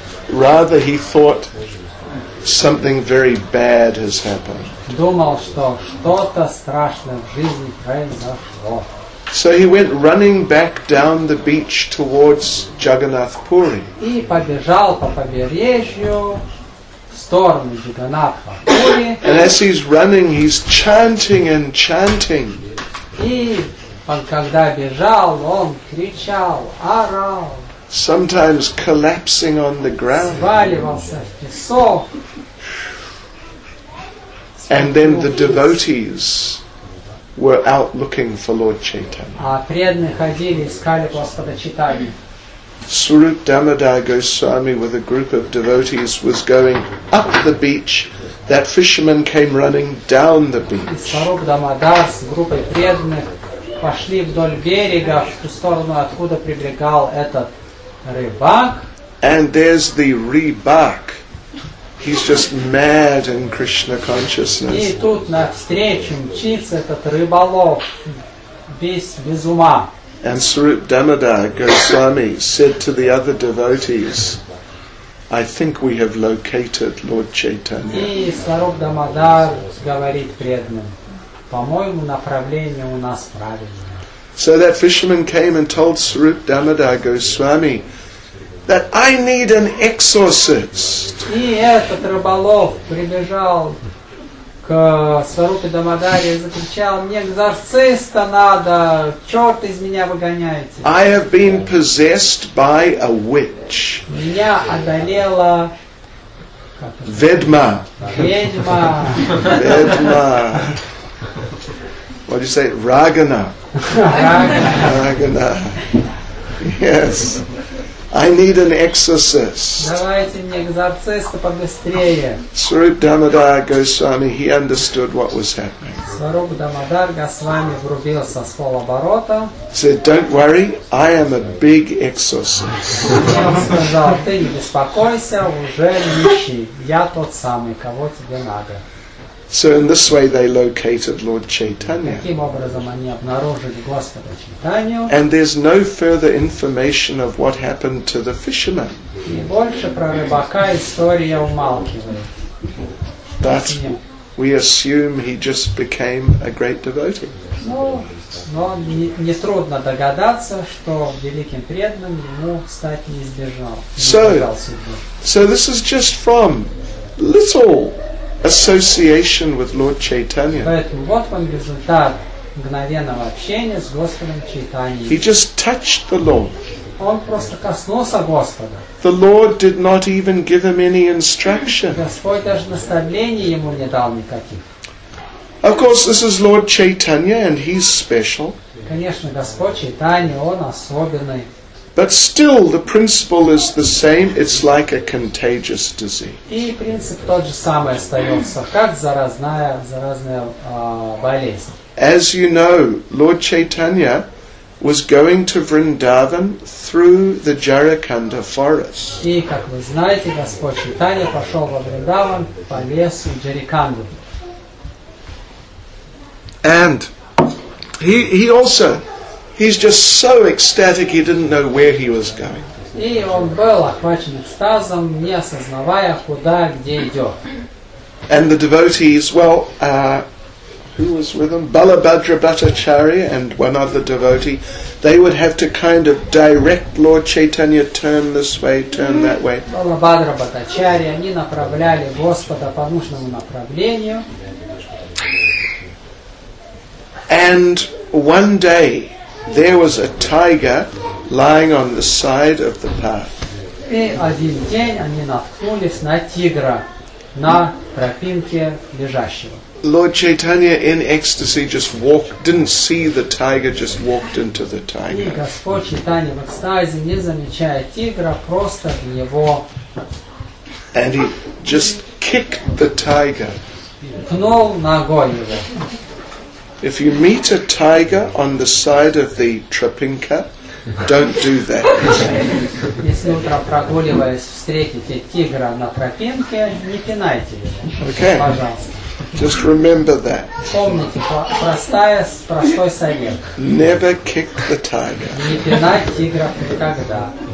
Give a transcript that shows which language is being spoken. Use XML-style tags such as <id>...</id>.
<en>Rather, he thought, something very bad has happened.</en> <ru>Думал, что что-то страшное в жизни произошло.</ru> <en>So he went running back down the beach towards Jagannath Puri.</en> <ru>И побежал по побережью в сторону Джаганнатха Пури.</ru> <en>And as he's running, he's chanting and chanting.</en> <ru>И он когда бежал, он кричал, орал.</ru> <en>Sometimes collapsing on the ground.</en> <ru>Сваливался в песок.</ru> <en>And then the devotees were out looking for Lord Chaitanya.</en> <ru>А преданные ходили, искали Господа Чайтанью.</ru> <en>Swarup Damodar Goswami with a group of devotees was going up the beach. That fisherman came running down the beach.</en> <ru>Swarup Damodar с группой преданных пошли вдоль берега в ту сторону, откуда прибегал этот рыбак.</ru> <en>And there's the rebuck. He's just mad in Krishna consciousness.</en> <ru>И тут навстречу мчится этот рыболов, весь без ума.</ru> <en>And Swarup Damodar Goswami said to the other devotees, I think we have located Lord Chaitanya.</en> <ru>И Swarup Damodar говорит преданным, по-моему, направление у нас правильное.</ru> <en>So that fisherman came and told Swarup Damodar Goswami, that I need an exorcist.</en> <ru>И этот рыболов прибежал к Сварупе Дамодаре и закричал, мне экзорциста надо, черт из меня выгоняйте.</ru> <en>I have been possessed by a witch.</en> <ru>Меня одолела ведьма. Ведьма. Ведьма.</ru> <en>What do you say? Рагана. Рагана. Yes. I need an exorcist.</en> <ru>Давайте мне экзорциста побыстрее.</ru> <en>Swarup Damodar Goswami, he understood what was happening.</en> <ru>Swarup Damodar Goswami врубился с полоборота.</ru> <en>Said, don't worry, I am a big exorcist.</en> <ru>Он сказал, ты не беспокойся, уже нищий. Я тот самый, кого тебе надо.</ru> <en>So in this way they located Lord Chaitanya.</en> <ru>Таким образом они обнаружили Господа Чайтанью.</ru> <en>And there's no further information of what happened to the fisherman.</en> <ru>И больше про рыбака история умалкивает.</ru> <en>But we assume he just became a great devotee.</en> <ru>Но не трудно догадаться, что великим преданным ему стать не избежал.</ru> <en>So this is just from little association with Lord Chaitanya.</en> <ru>Поэтому вот вам результат мгновенного общения с Господом Чайтаньей.</ru> <en>He just touched the Lord.</en> <ru>Он просто коснулся Господа.</ru> <en>The Lord did not even give him any instruction.</en> <ru>Господь даже наставлений ему не дал никаких.</ru> <en>Of course, this is Lord Chaitanya, and he's special.</en> <ru>Конечно, Господь Чайтанья, он особенный.</ru> <en>But still, the principle is the same. It's like a contagious disease.</en> <ru>И принцип тот же самый остается, как заразная болезнь.</ru> <en>As you know, Lord Chaitanya was going to Vrindavan through the Jarakanda forest.</en> <ru>И как вы знаете, Господь Чайтанья пошел во Вриндаван по лесу Джариканды.</ru> <en>And he also. He's just so ecstatic he didn't know where he was going.</en> <ru>И он был охвачен экстазом, не осознавая, куда, где идет.</ru> <en>And the devotees, well, who was with them? Balabhadra Bhattacharya and one other devotee, they would have to kind of direct Lord Chaitanya, turn this way, turn that way.</en> <ru>Balabhadra Bhattacharya, они направляли Господа по нужному направлению.</ru> <en>And one day, there was a tiger lying on the side of the path.</en> <ru>И один день они наткнулись на тигра на тропинке лежащего.</ru> <en>Lord Chaitanya in ecstasy just walked, didn't see the tiger, just walked into the tiger.</en> <ru>И Господь Чайтанья в экстазе, не замечая тигра, просто в него.</ru> <en>And he just kicked the tiger.</en> <ru>Пнул ногой его.</ru> <en>If you meet a tiger on the side of the Tropinka, don't do that.</en> <ru>Если утром прогуливаясь встретите тигра на тропинке, не пинайте его.</ru> <en>Okay.</en> <ru>Пожалуйста.</ru> <en>Just remember that.</en> <ru>Помните, простой совет.</ru> <en>Never kick the tiger.</en> <ru>Не пинать тигра никогда.</ru>